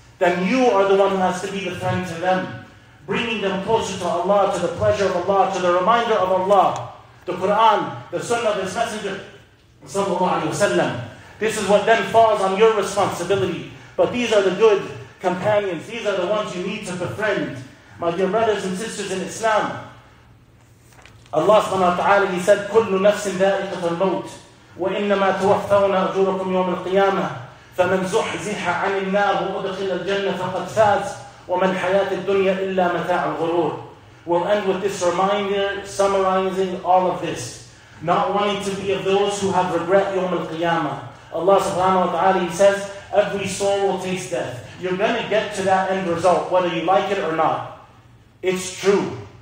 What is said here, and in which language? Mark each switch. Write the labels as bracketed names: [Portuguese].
[English] Then you are the one who has to be the friend to them. Bringing them closer to Allah, to the pleasure of Allah, to the reminder of Allah. The Quran, the Sunnah of this Messenger, sallallahu alayhi wa sallam. This is what then falls on your responsibility. But these are the good companions. These are the ones you need to befriend. My dear brothers and sisters in Islam, Allah subhanahu wa ta'ala, He said, [Arabic] كُلُّ نَفْسٍ ذَائِقَةُ الْمَوْتِ وَإِنَّمَا تُوَفَّوْنَا أَجُورَكُمْ يَوْمَ الْقِيَامَةِ فَمَنْ زُحْزِحَ عَنِ النَّارِ وَأُدْخِلَ الْجَنَّةَ فَقَدْ فَازَ وَمَنْ حَيَاةِ الدُّنْيَا إِلَّا مَتَاعُ الْغُرُورِ. [English] We'll end with this reminder, summarizing all of this. Not wanting to be of those who have regret يوم القيامة. Allah subhanahu wa ta'ala, He says, every soul will taste death. You're going to get to that end result, whether you like it or not. It's true.